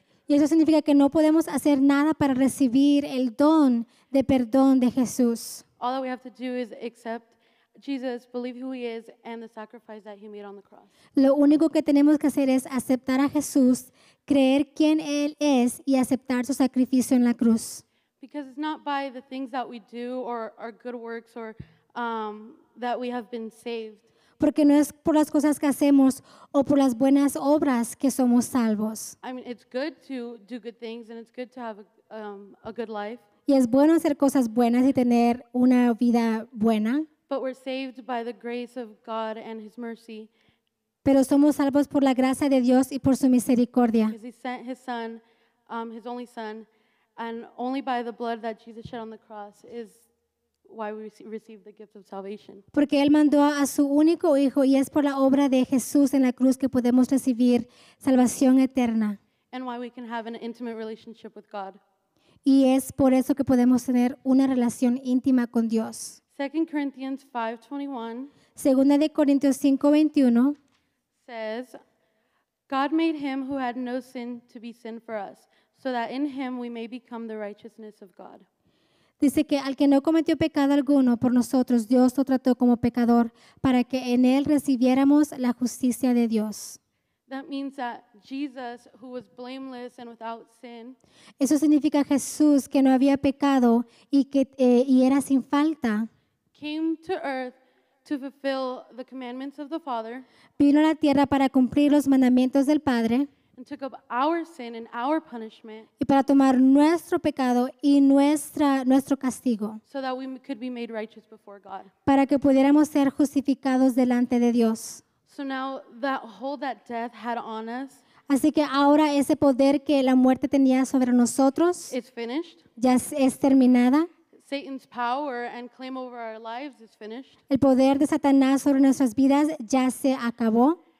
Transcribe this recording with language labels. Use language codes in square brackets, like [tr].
[es] Y eso significa que no podemos hacer nada para recibir el don de perdón de Jesús. [en] All that we have to do is accept Jesus, believe who he is, and the sacrifice that he made on the cross. [es] Lo único que tenemos que hacer es aceptar a Jesús, creer quién él es y aceptar su sacrificio en la cruz. [en] Because it's not by the things that we do or our good works or that we have been saved. [es] Porque no es por las cosas que hacemos o por las buenas obras que somos salvos. [en] I mean, it's good to do good things and it's good to have a good life. [es] Y es bueno hacer cosas buenas y tener una vida buena. [en] But we're saved by the grace of God and His mercy. [es] Pero somos salvos por la gracia de Dios y por su misericordia. [en] Because He sent His Son, His only Son, and only by the blood that Jesus shed on the cross is why we receive the gift of salvation. [es] Porque Él mandó a su único Hijo y es por la obra de Jesús en la cruz que podemos recibir salvación eterna. [en] And why we can have an intimate relationship with God. [es] Y es por eso que podemos tener una relación íntima con Dios. [en] 2 Corinthians 5:21. [es] Segunda de Corintios 5:21. [en] Says, "God made him who had no sin to be sin for us, so that in him we may become the righteousness of God." [es] Dice que al que no cometió pecado alguno por nosotros, Dios lo trató como pecador para que en él recibiéramos la justicia de Dios. [en] That means that Jesus, who was blameless and without sin, [es] eso significa Jesús que no había pecado y que y era sin falta, [en] came to earth to fulfill the commandments of the Father, [es] vino a la tierra para cumplir los mandamientos del Padre, [en] and took up our sin and our punishment, [es] y para tomar nuestro pecado y nuestro castigo, [en] so that we could be made righteous before God, [es] para que pudiéramos ser justificados delante de Dios. [en] So now that hold that death had on us, [es] así que ahora ese poder que la muerte tenía sobre nosotros, [en] it's finished. [es] Ya es terminada. [en] Satan's power and claim over our lives is finished. [es] El poder de Satanás sobre nuestras vidas ya se acabó.